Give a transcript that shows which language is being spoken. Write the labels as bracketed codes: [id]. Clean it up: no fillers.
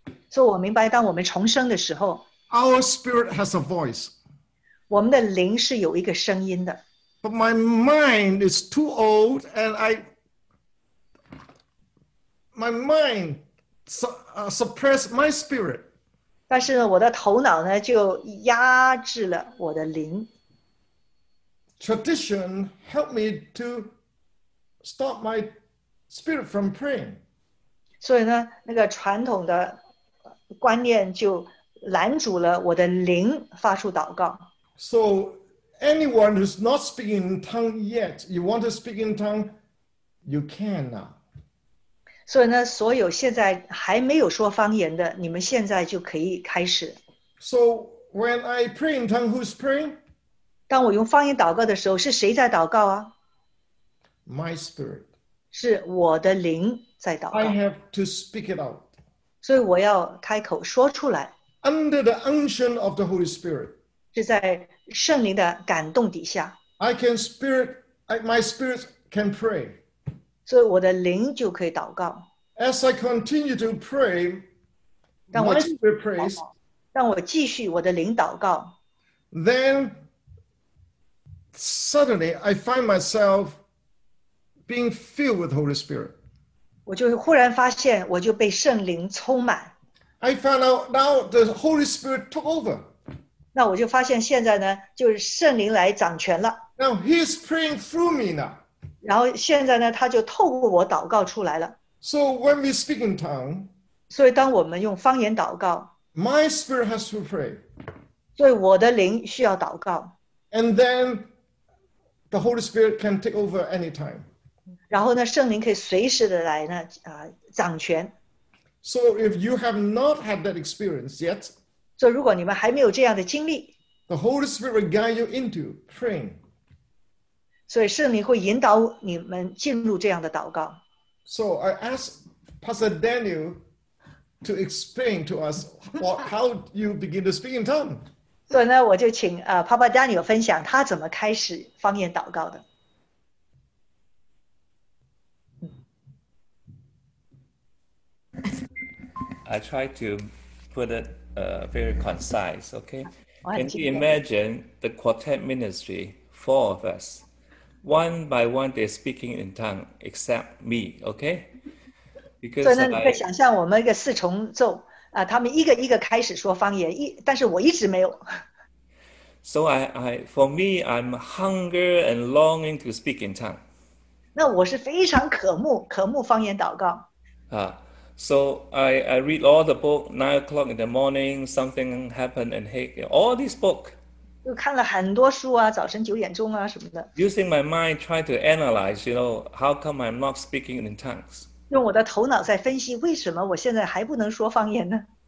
[zh] 所以我明白，当我们重生的时候。 [en] Our spirit has a voice. [zh] 我们的灵是有一个声音的。 [en] But my mind is too old, and my mind suppress my spirit. [zh] 但是呢，我的头脑呢就压制了我的灵。 [en] Tradition helped me to stop my spirit from praying. [zh] 所以呢，那个传统的观念就。拦阻了我的灵发出祷告。 [en] So anyone who's not speaking in tongue yet, you want to speak in tongue, you can now. [zh] 所以呢，所有现在还没有说方言的，你们现在就可以开始。 [en] So when I pray in tongue, who's praying? [zh] 当我用方言祷告的时候，是谁在祷告啊？ [en] My spirit. [zh] 是我的灵在祷告。 [en] I have to speak it out. [zh] 所以我要开口说出来。 [en] Under the unction of the Holy Spirit, [zh] 是在圣灵的感动底下。 [en] My spirit can pray. [zh] 所以我的灵就可以祷告。 [en] As I continue to pray, my spirit prays. [zh] 当我继续我的灵祷告。 [en] Then suddenly I find myself being filled with the Holy Spirit. [zh] 我就忽然发现我就被圣灵充满。 [en] I found out now the Holy Spirit took over. [zh] 那我就发现现在呢，就是圣灵来掌权了。 [en] Now He's praying through me now. [zh] 然后现在呢，他就透过我祷告出来了。 [en] So when we speak in tongue, [zh] 所以当我们用方言祷告 [en] ，My spirit has to pray. [zh] 所以我的灵需要祷告。 [en] And then the Holy Spirit can take over anytime. [zh] 然后呢，圣灵可以随时的来呢，掌权。 [en] So if you have not had that experience yet, [zh] 所以如果你们还没有这样的经历 [en] ，the Holy Spirit will guide you into praying. [zh] 所以圣灵会引导你们进入这样的祷告。 [en] So I ask Pastor Daniel to explain to us how you begin to speak in tongues. [zh] 所以呢，我就请Papa Daniel 分享他怎么开始方言祷告的。 [en] I try to put it very concise, okay? Can you imagine the quartet ministry, four of us? One by one, they're speaking in tongue, except me, okay? Because [zh] 所以呢，你可以想象我们一个四重奏啊，他们一个一个开始说方言，但是我一直没有。 [en] So I for me, I'm hunger and longing to speak in tongue. [zh] 那我是非常渴慕方言祷告。 [en] So I read all the book, 9 o'clock in the morning, something happened and hey, all these book. [zh] 就看了很多书啊，早晨九点钟啊什么的。 [en] Using my mind, trying to analyze, you know, how come I'm not speaking in tongues? [zh] 用我的头脑在分析，为什么我现在还不能说方言呢？